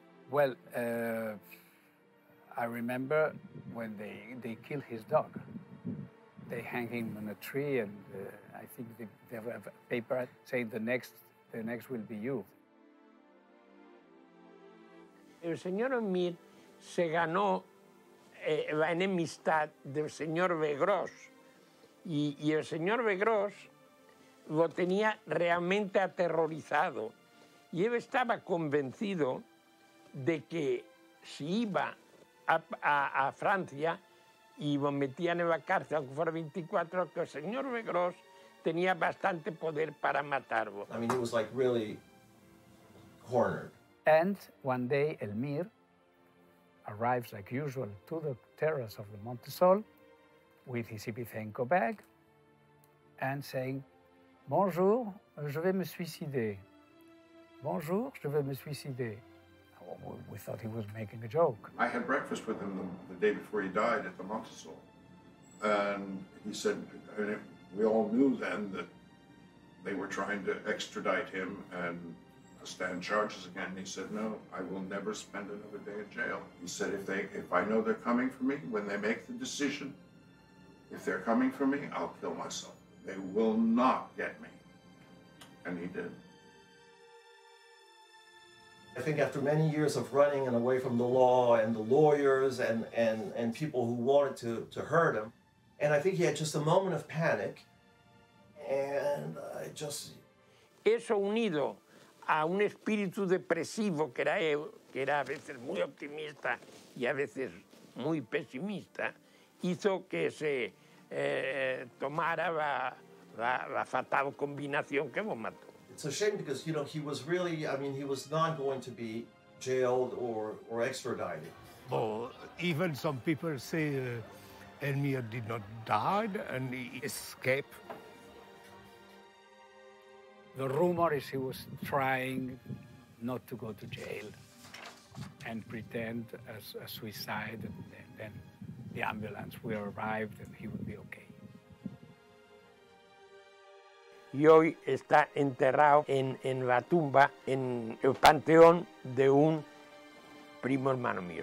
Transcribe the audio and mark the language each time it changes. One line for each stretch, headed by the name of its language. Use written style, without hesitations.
English: Well, I remember when they killed his dog. They hang him on a tree, and I think they have a paper saying the next will be you.
Spanish: El señor Mir se ganó la enemistad del señor Begros, y el señor Begros lo tenía realmente aterrorizado, y él estaba convencido de que si iba a Francia y lo metían en la cárcel aunque fuera 24, que el señor Begros tenía bastante poder para matarlo.
English: I mean, he was like really cornered. And one day, Elmyr arrives like usual to the terrace of the Montesol with his Ibizenco bag and saying,
French: "Bonjour, je vais me suicider. Bonjour, je vais me suicider."
English: We thought he was making a joke. I had breakfast with him the day before he died at the Montesol. And he said, and we all knew then that they were trying to extradite him and stand charges again. And he said, no, I will never spend another day in jail. He said, if I know they're coming for me, when they make the decision, if they're coming for me, I'll kill myself. They will not get me. And he did. I think after many years of running and away from the law and the lawyers and people who wanted to hurt him, and I think he had just a moment of panic, and I just...
Spanish: Eso unido a un espíritu depresivo que era él, que era a veces muy optimista y a veces muy pesimista, hizo que se tomara la fatal combinación que lo mató.
English: It's a shame because, you know, he was really, I mean, he was not going to be jailed or extradited. Well, even some people say Elmyr did not die and he escaped. The rumor is he was trying not to go to jail and pretend as a suicide, and then the ambulance will arrive and he would be okay.
Spanish: Y hoy está enterrado en la tumba, en el panteón de un primo hermano mío.